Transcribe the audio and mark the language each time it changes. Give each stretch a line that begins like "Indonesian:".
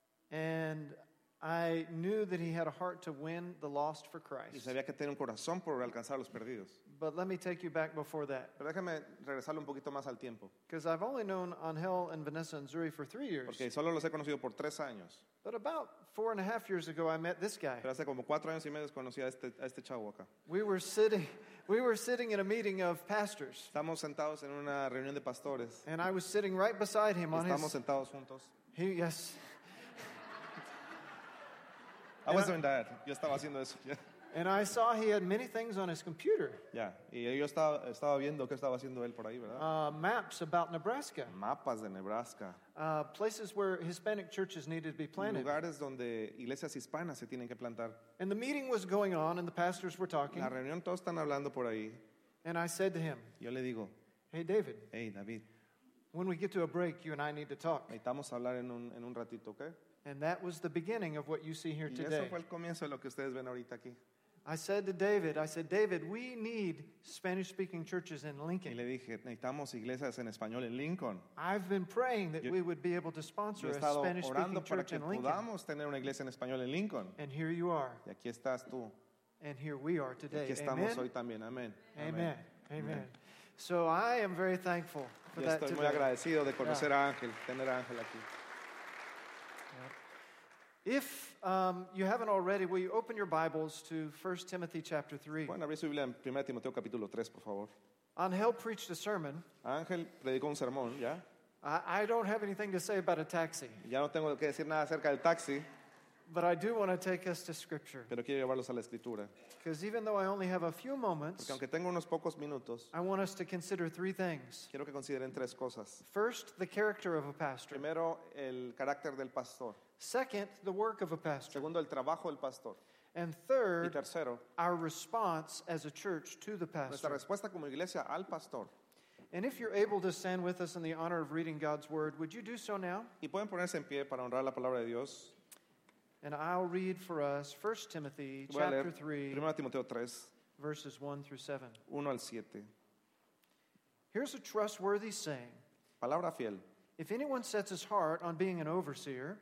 English: And I knew that he had a heart to win the lost for Christ.
Spanish: Y sabía que tenía un corazón por alcanzar a los perdidos.
English: But let me take you back before that.
Spanish: Pero déjame regresarle un poquito más al tiempo.
English: Because I've only known Angel and Vanessa and Zuri for 3 years.
Spanish: Porque solo los he conocido por 3 años.
English: But about 4.5 years ago, I met this guy.
Spanish: Pero hace como 4 años y medio conocí a este chavo acá.
English: We were sitting in a meeting of pastors.
Spanish: Estamos sentados en una reunión de pastores.
English: And I was sitting right beside him.
Spanish: Estamos sentados juntos.
English: Yes. I was doing that. Yo estaba haciendo eso. And I saw he had many things on his computer.
Spanish: Yeah. Y yo estaba viendo qué estaba haciendo él por ahí, ¿verdad?
English: Maps about Nebraska.
Spanish: Mapas de Nebraska.
English: Places where Hispanic churches needed to be planted.
Spanish: Lugares donde iglesias hispanas se tienen que plantar.
English: And the meeting was going on and the pastors were talking.
Spanish: La reunión todos están hablando por ahí.
English: And I said to him.
Spanish: Yo le digo.
English: Hey David.
Spanish: Hey David.
English: When we get to a break, you and I need to talk.
Spanish: Necesitamos hablar en un ratito, ¿okay?
English: And that was the beginning of what you see here today.
Spanish: Y eso fue el comienzo de lo que ustedes ven ahorita aquí.
English: I said, David, we need Spanish-speaking churches in Lincoln.
Spanish: Y le dije, necesitamos iglesias en español en Lincoln.
English: I've been praying that we would be able to sponsor a Spanish-speaking church in Lincoln.
Spanish: Yo he estado orando para que podamos tener una iglesia en español en Lincoln.
English: And here you are.
Spanish: Y aquí estás tú.
English: And here we are today.
Spanish: Y aquí estamos hoy también. Amén.
English: Amen. Amen. So I am very thankful for that today.
Spanish: Estoy muy agradecido de conocer a Ángel, tener a Ángel aquí.
English: If you haven't already, will you open your Bibles to 1 Timothy chapter 3?
Spanish: ¿Pueden abrir su Biblia en 1 Timoteo capítulo 3, por favor?
English: Ángel preached a sermon.
Spanish: Ángel predicó un sermón, ¿ya?
English: I don't have anything to say about a taxi.
Spanish: Ya no tengo que decir nada acerca del taxi.
English: But I do want to take us to Scripture.
Spanish: Pero quiero llevarlos a la Escritura.
English: Because even though I only have a few moments,
Spanish: porque aunque tengo unos pocos minutos,
English: I want us to consider 3 things.
Spanish: Quiero que consideren 3 cosas.
English: First, the character of a pastor.
Spanish: Primero, el carácter del pastor.
English: Second, the work of a pastor.
Spanish: Segundo, el trabajo del pastor.
English: And third,
Spanish: y tercero,
English: our response as a church to the pastor.
Spanish: Nuestra respuesta como iglesia al pastor.
English: And if you're able to stand with us in the honor of reading God's word, would you do so now?
Spanish: Y pueden ponerse en pie para honrar la palabra de Dios.
English: And I'll read for us 1 Timothy chapter 3,
Spanish: 1 Timoteo 3,
English: verses 1 through 7.
Spanish: 1 al 7.
English: Here's a trustworthy saying.
Spanish: Palabra fiel.
English: If anyone sets his heart on being an overseer,